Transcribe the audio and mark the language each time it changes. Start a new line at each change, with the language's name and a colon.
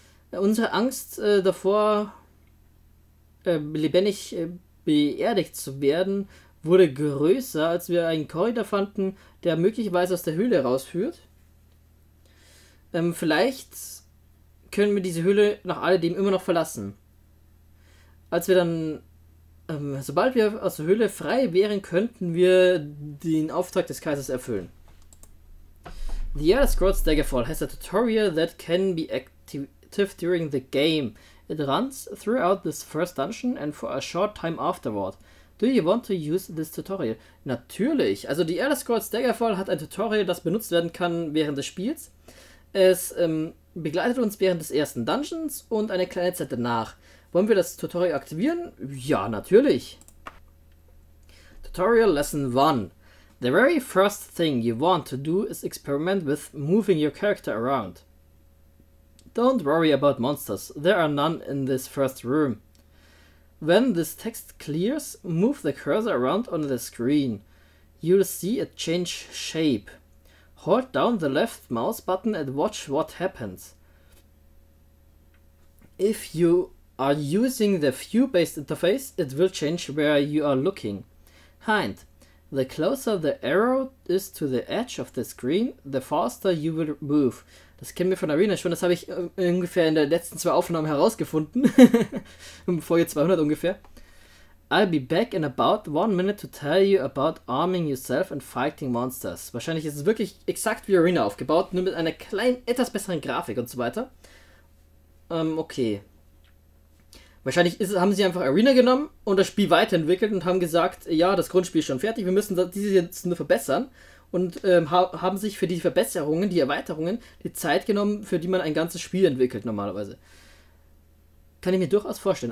German: Unsere Angst davor, lebendig beerdigt zu werden, wurde größer, als wir einen Korridor fanden, der möglicherweise aus der Höhle rausführt. Vielleicht können wir diese Höhle nach alledem immer noch verlassen. Sobald wir aus der Höhle frei wären, könnten wir den Auftrag des Kaisers erfüllen.
English: The Elder Scrolls Daggerfall has a tutorial that can be active during the game. It runs throughout this first dungeon and for a short time afterward. Do you want to use this tutorial? Natürlich.
German: Also die Elder Scrolls Daggerfall hat ein Tutorial, das benutzt werden kann während des Spiels. Es begleitet uns während des ersten Dungeons und eine kleine Zeit danach. Wollen wir das Tutorial aktivieren? Ja, natürlich. Tutorial Lesson 1.
English: The very first thing you want to do is experiment with moving your character around. Don't worry about monsters. There are none in this first room. When this text clears, move the cursor around on the screen. You'll see it change shape. Hold down the left mouse button and watch what happens. If you are using the view-based interface, it will change where you are looking. Hind, the closer the arrow is to the edge of the screen, the faster you will move.
German: Das kennen wir von Arena schon, das habe ich ungefähr in der letzten zwei Aufnahmen herausgefunden. Folge 200 ungefähr.
English: I'll be back in about 1 minute to tell you about arming yourself and fighting monsters.
German: Wahrscheinlich ist es wirklich exakt wie Arena aufgebaut, nur mit einer kleinen, etwas besseren Grafik und so weiter. Okay. Wahrscheinlich haben sie einfach Arena genommen und das Spiel weiterentwickelt und haben gesagt, ja, das Grundspiel ist schon fertig, wir müssen dieses jetzt nur verbessern. Und haben sich für die Verbesserungen, die Erweiterungen, die Zeit genommen, für die man ein ganzes Spiel entwickelt normalerweise. Kann ich mir durchaus vorstellen.